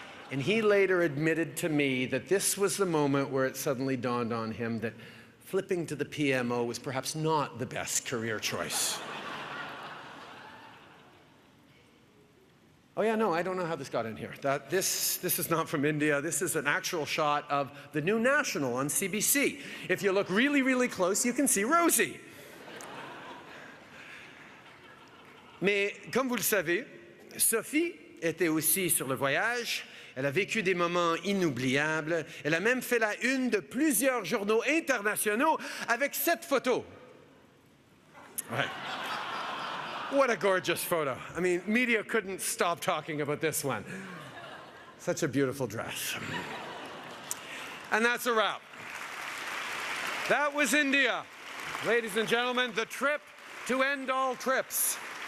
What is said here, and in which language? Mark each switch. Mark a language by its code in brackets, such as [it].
[en] And he later admitted to me that this was the moment where it suddenly dawned on him that flipping to the PMO was perhaps not the best career choice. Oh yeah, no, I don't know how this got in here. This is not from India. This is an actual shot of the new National on CBC. If you look really, really close, you can see Rosie. [fr] Mais, comme vous le savez, Sophie était aussi sur le voyage. Elle a vécu des moments inoubliables. Elle a même fait la une de plusieurs journaux internationaux avec cette photo. [en] Right. What a gorgeous photo. I mean, media couldn't stop talking about this one. Such a beautiful dress. And that's a wrap. That was India. Ladies and gentlemen, the trip to end all trips.